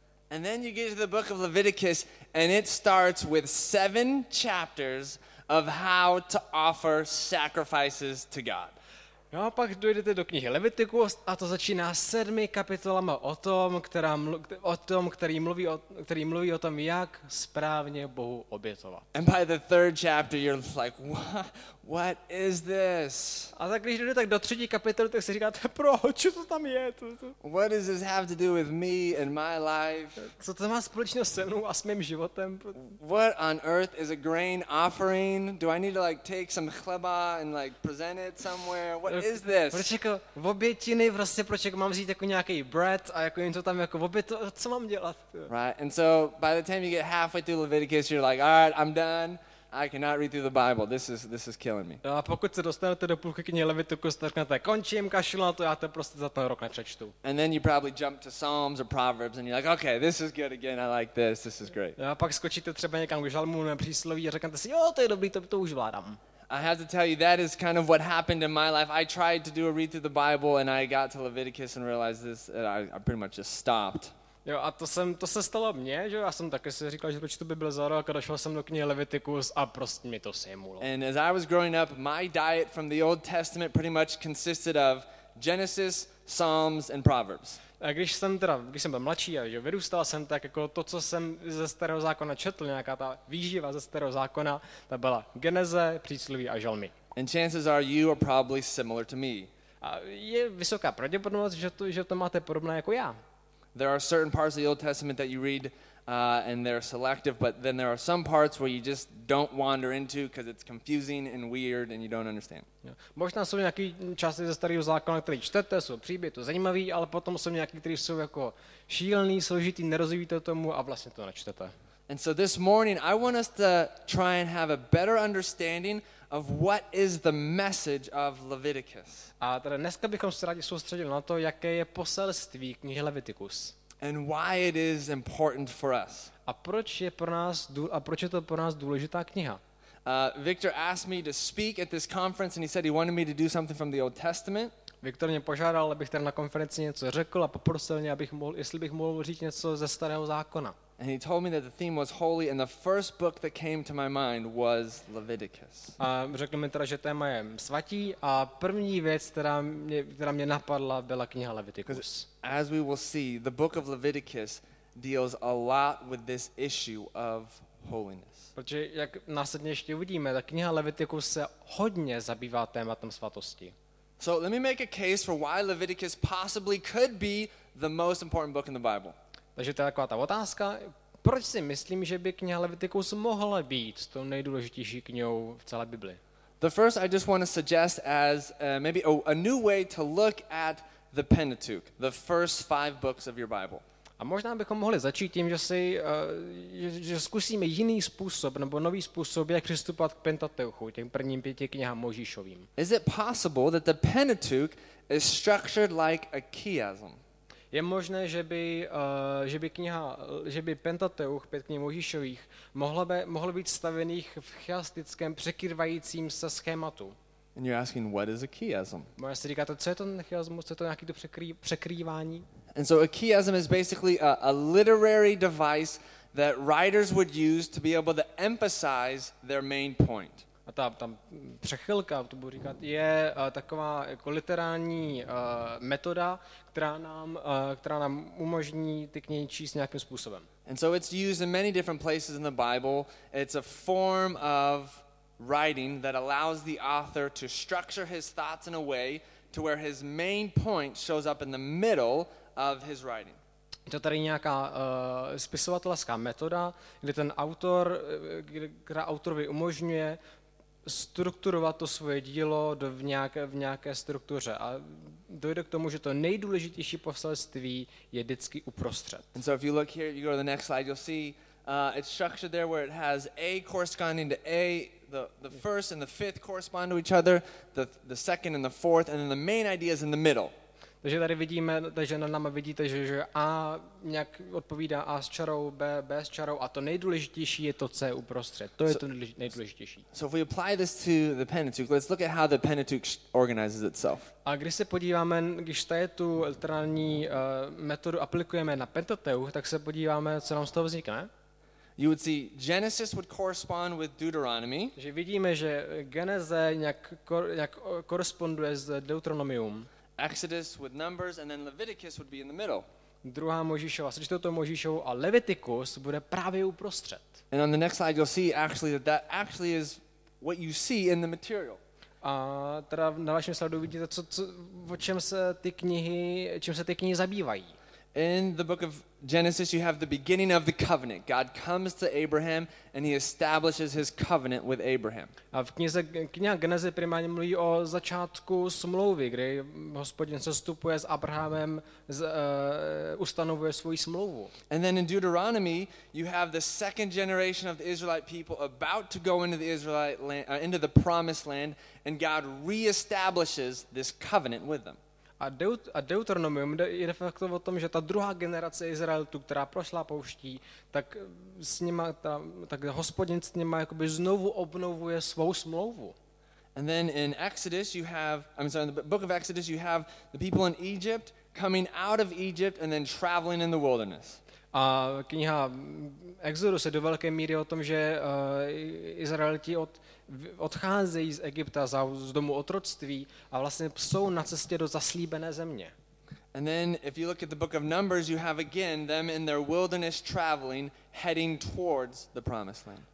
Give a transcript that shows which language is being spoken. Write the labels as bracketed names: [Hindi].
[English] And then you get to the book of Leviticus and it starts with 7 chapters of how to offer sacrifices to God. [Czech] No a pak dojdete do knihy Levitikus a to začíná 7 kapitolama o tom, který mluví o tom, jak správně Bohu obětovat. [English] And by the third chapter you're like, what is this? [Czech] A tak když jdete tak do 3. kapitoly, tak si říkáte, proč to tam je? [English] What does this have to do with me and my life? [Czech] Co to má společně se mnou a s mým životem? [English] What on earth is a grain offering? Do I need to like take some chleba and like present it somewhere? What is this? [Czech] Proč jako v obětiny, vlastně proč jako mám vzít jako nějaký bread a jako něco tam jako v oběto, co mám dělat? [English] Right, and so by the time you get halfway through Leviticus, you're like, all right, I'm done. I cannot read through the Bible. This is killing me. [Czech] A pokud se dostanete do půlky knihy Levitikus, tak na to končím, kašlu na to, já to prostě za ten rok nepřečtu. [English] And then you probably jump to Psalms or Proverbs and you're like, okay, this is good again. I like this. This is great. [Czech] A pak skočíte třeba někam k Žalmu nebo Přísloví a řeknete si, jo, to je dobrý, to už vládám. [English] I have to tell you, that is kind of what happened in my life. I tried to do a read through the Bible and I got to Leviticus and realized this and I pretty much just stopped. [Czech] Jo, a to se stalo mně, že já jsem taky si říkal, že proč to by byl za rok, a došel jsem do knihy Leviticus a prostě mi to sejmulo. [English] And as I was growing up, my diet from the Old Testament pretty much consisted of Genesis, Psalms and Proverbs. [Czech] A když jsem byl mladší a že vyrůstal jsem, tak jako to, co jsem ze Starého zákona četl, nějaká ta výživa ze Starého zákona, ta byla Geneze, Přísloví a Žalmy. [English] And chances are you are probably similar to me. [Czech] A je vysoká pravděpodobnost, že to máte podobné jako já. [English] There are certain parts of the Old Testament that you read and they're selective, but then there are some parts where you just don't wander into because it's confusing and weird and you don't understand. [Czech] Možná jsou nějaké části ze Starého zákona, které čtete, jsou příběhy, to zajímavé, ale potom jsou nějaké, které jsou jako šílený, složitý, nerozumíte tomu a vlastně to nečtete. [English] And so this morning I want us to try and have a better understanding of what is the message of Leviticus. [Czech] A teda dneska bychom se rádi soustředili na to, jaké je poselství knihy Leviticus. [English] And why it is important for us. [Czech] A proč je pro nás proč je to pro nás důležitá kniha? [English] Victor asked me to speak at this conference and he said he wanted me to do something from the Old Testament. [Czech] Viktor mě požádal, abych tady na konferenci něco řekl a poprosil mě, jestli bych mohl říct něco ze Starého zákona. [English] And he told me that the theme was holy and the first book that came to my mind was Leviticus. [Czech] A řekl mi teda, že téma je svatý a první věc, která mě napadla, byla kniha Leviticus. [English] As we will see, the book of Leviticus deals a lot with this issue of holiness. [Czech] Protože jak následně ještě uvidíme, ta kniha Leviticus se hodně zabývá tématem svatosti. [English] So let me make a case for why Leviticus possibly could be the most important book in the Bible. [Czech] Takže to je taková ta otázka, proč si myslím, že by kniha Leviticus mohla být s tou nejdůležitější knihou v celé Bibli? [English] The first I just want to suggest as maybe a new way to look at the Pentateuch, the first 5 books of your Bible. [Czech] A možná bychom mohli začít tím, že zkusíme jiný způsob nebo nový způsob, jak přistupovat k Pentateuchu, těm prvním 5 knihám Mojžíšovým. [English] Is it possible that the Pentateuch is structured like a chiasm? [Czech] Je možné, že by Pentateuch, 5 knih Mojžíšových, mohlo být stavených v chiastickém překrývajícím se schématu. [English] And you're asking what is a chiasm? [Czech] Možná si říkáte, co je to chiasmus, co je to nějaký to překrývání? [English] And so a chiasm is basically a literary device that writers would use to be able to emphasize their main point. [Czech] A ta přechylka, to budu říkat, je taková jako literární metoda, která nám umožní ty knihy číst nějakým způsobem. [English] And so it's used in many different places in the Bible. It's a form of writing that allows the author to structure his thoughts in a way to where his main point shows up in the middle of his writing. [Czech] To tady nějaká spisovatelská metoda, kde ten autor, která autorovi umožňuje strukturovat to svoje dílo v nějaké struktuře a dojde k tomu, že to nejdůležitější poselství je vždycky uprostřed. [English] And so if you look here, you go to the next slide, you'll see it's structured there where it has A corresponding to A, the first and the fifth correspond to each other, the second and the fourth, and then the main idea is in the middle. [Czech] Takže tady vidíme, takže nad náma vidíte, že A nějak odpovídá A s čarou, B s čarou, a to nejdůležitější je to C uprostřed. To je to nejdůležitější. [English] So if we apply this to the Pentateuch, let's look at how the Pentateuch organizes itself. [Czech] A když se podíváme, když tady tu literární metodu aplikujeme na Pentateuch, tak se podíváme, co nám z toho vznikne. [English] You would see Genesis would correspond with Deuteronomy. [Czech] Že vidíme, že Geneze nějak koresponduje s Deuteronomium. [English] Exodus with Numbers, and then Leviticus would be in the middle. [Czech] Druhá Mojžíšova, sečte to Mojžíšovou, a Leviticus bude právě uprostřed. [English] And on the next slide you'll see actually that actually is what you see in the material. [Czech] A teda na vašem slajdu vidíte, o čem se ty knihy, čím se ty knihy zabývají. [English] In the book of Genesis you have the beginning of the covenant. God comes to Abraham and he establishes his covenant with Abraham. [Czech] A v knize Genesis primárně mluví o začátku smlouvy, kdy Hospodin sestupuje s Abrahamem, ustanovuje svou smlouvu. [English] And then in Deuteronomy you have the second generation of the Israelite people about to go into the Israelite land, into the promised land, and God reestablishes this covenant with them. [Czech] A Deuteronomium je de facto o tom, že ta druhá generace Izraelitů, která prošla pouští, tak s nima, tak Hospodin s nima jakoby znovu obnovuje svou smlouvu. [English] And then in Exodus you have, I'm sorry, in the book of Exodus you have the people in Egypt coming out of Egypt and then traveling in the wilderness. [Czech] A kniha Exodus je do velké míry o tom, že Izraeliti odcházejí z Egypta z domu otroctví a vlastně jsou na cestě do zaslíbené země. [English] And then if you look at the book of Numbers, you have again them in their wilderness traveling heading towards the promised land.